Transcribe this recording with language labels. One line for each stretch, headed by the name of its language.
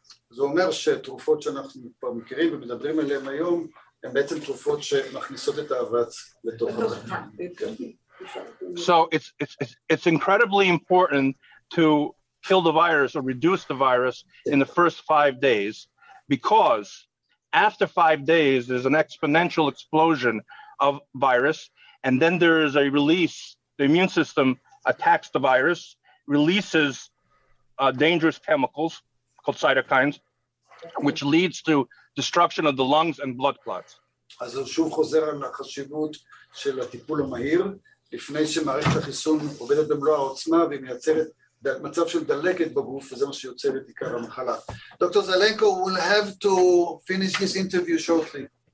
English: So it's incredibly important to kill the virus or reduce the virus in the first 5 days, because after 5 days, there's an exponential explosion of virus, and then there is a release. The immune system attacks the virus, releases dangerous chemicals called cytokines, which leads to destruction of the lungs and blood clots.
Hebrew: אז הוא שוב חוזר על החשיבות של הטיפול המהיר, לפני שמערכת החיסון עובדת במלוא העוצמה, והיא מייצרת מצב של דלקת בגוף, וזה מה שיוצר את עיקר המחלה.
English: Dr. Zelenko, we'll have to finish this interview shortly.